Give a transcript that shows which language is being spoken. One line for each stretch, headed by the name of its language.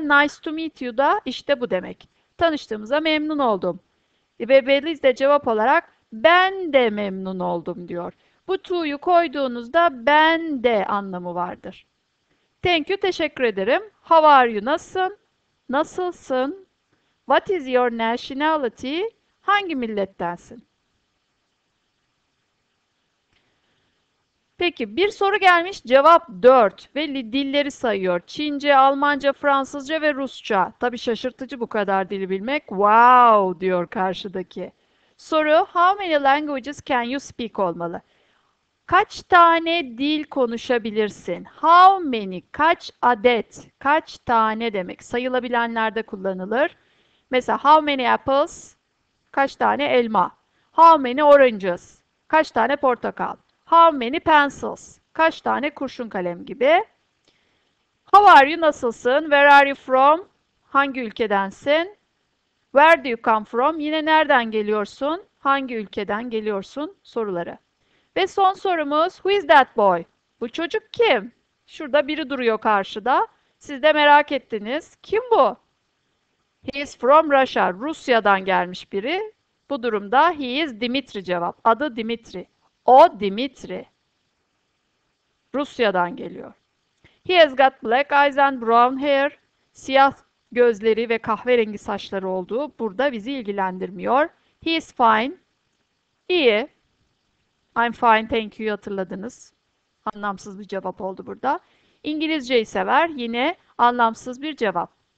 English: Nice to meet you
Turkish: da işte bu demek. Tanıştığımıza memnun oldum. Ve Belize de cevap olarak ben de memnun oldum diyor. Bu to'yu koyduğunuzda ben de anlamı vardır.
English: Thank you,
Turkish: teşekkür ederim.
English: How are you,
Turkish: nasılsın? Nasılsın?
English: What is your nationality?
Turkish: Hangi millettensin? Peki bir soru gelmiş cevap 4 ve dilleri sayıyor. Çince, Almanca, Fransızca ve Rusça. Tabii şaşırtıcı bu kadar dili bilmek. Wow diyor karşıdaki.
English: Soru how many languages can you speak olmalı?
Turkish: Kaç tane dil konuşabilirsin?
English: How many?
Turkish: Kaç adet? Kaç tane demek? Sayılabilenlerde kullanılır. Mesela
English: how many apples?
Turkish: Kaç tane elma?
English: How many oranges?
Turkish: Kaç tane portakal?
English: How many pencils?
Turkish: Kaç tane kurşun kalem gibi.
English: How are you?
Turkish: Nasılsın?
English: Where are you from?
Turkish: Hangi ülkedensin?
English: Where do you come from?
Turkish: Yine nereden geliyorsun? Hangi ülkeden geliyorsun? Soruları. Ve son sorumuz,
English: who is that boy?
Turkish: Bu çocuk kim? Şurada biri duruyor karşıda. Siz de merak ettiniz. Kim bu?
English: He is from Russia.
Turkish: Rusya'dan gelmiş biri. Bu durumda
English: he is Dimitri
Turkish: cevap. Adı Dimitri. O Dimitri. Rusya'dan geliyor.
English: He has got black eyes and brown hair.
Turkish: Siyah gözleri ve kahverengi saçları olduğu burada bizi ilgilendirmiyor.
English: He is fine. İyi. I'm fine, thank you. Hatırladınız.
Turkish: Anlamsız bir cevap oldu burada. İngilizceyi sever. Yine anlamsız bir cevap.